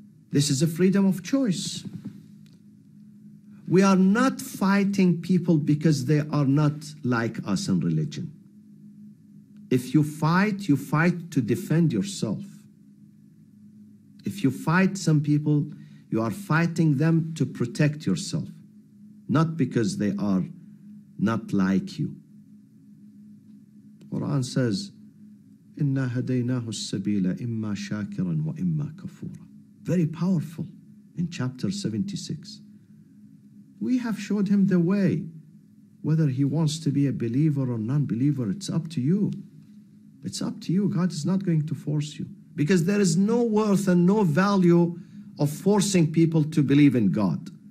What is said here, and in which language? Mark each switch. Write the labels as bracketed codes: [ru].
[en] This is a freedom of choice. We are not fighting people because they are not like us in religion. If you fight to defend yourself. If you fight some people, you are fighting them to protect yourself, not because they are not like you. Quran says, [ar] إِنَّا هَدَيْنَاهُ السَّبِيلَ إِمَّا شَاكِرًا وَإِمَّا كَفُورًا. [en] Very powerful in chapter 76. We have showed him the way. Whether he wants to be a believer or non-believer, it's up to you. It's up to you. God is not going to force you. Because there is no worth and no value of forcing people to believe in God.